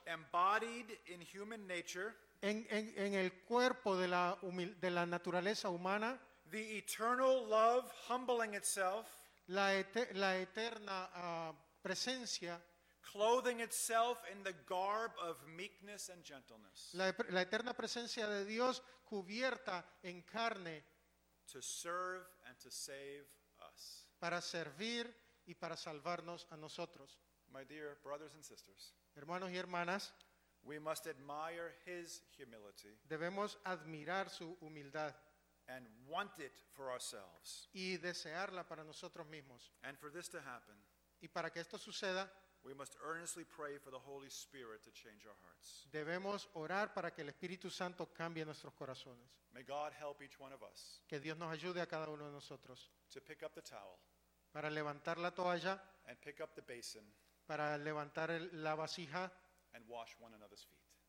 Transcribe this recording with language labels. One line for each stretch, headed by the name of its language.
English: Embodied in human nature.
Spanish: En el cuerpo de la naturaleza humana.
English: The eternal love humbling itself.
Spanish: La eterna presencia.
English: Clothing itself in the garb of meekness and gentleness.
Spanish: La eterna presencia de Dios cubierta en carne.
English: To serve and to save us.
Spanish: Para servir y para salvarnos a nosotros.
English: My dear brothers and sisters.
Spanish: Hermanos y hermanas.
English: We must admire his humility.
Spanish: Debemos admirar su humildad.
English: And want it for ourselves.
Spanish: Y desearla para nosotros mismos.
English: And for this to happen.
Spanish: Y para que esto suceda.
English: We must earnestly pray for the Holy Spirit to change our hearts.
Spanish: Debemos orar para que el Espíritu Santo cambie nuestros corazones.
English: May God help each one of us.
Spanish: Que Dios nos ayude a cada uno de nosotros.
English: To pick up the towel.
Spanish: Para levantar la toalla.
English: And pick up the basin.
Spanish: Para levantar la vasija.
English: And wash one another's feet.